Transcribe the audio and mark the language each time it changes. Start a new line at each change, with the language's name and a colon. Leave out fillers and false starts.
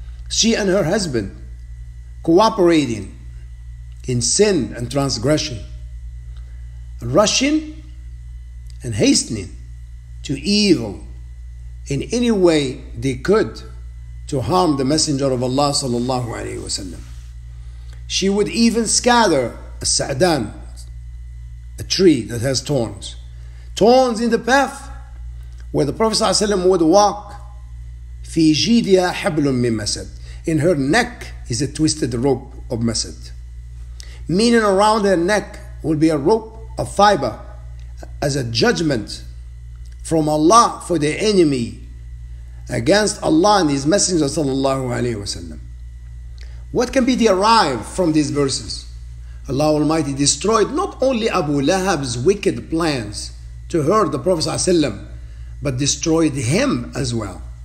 English: She and her husband cooperating in sin and transgression, rushing and hastening to evil in any way they could to harm the Messenger of Allah sallallahu alaihi wasallam. She would even scatter a sa'dan, a tree that has thorns, thorns in the path where the Prophet ﷺ would walk.
Arabic: في جيدها حبل من مسد,
English: in her neck is a twisted rope of مسد. meaning around their neck will be a rope of fiber as a judgment from Allah for the enemy against Allah and His Messenger sallallahu alayhi wasallam. What can be derived from these verses? Allah Almighty destroyed not only Abu Lahab's wicked plans to hurt the Prophet sallallahu alayhi wasallam, but destroyed him as well.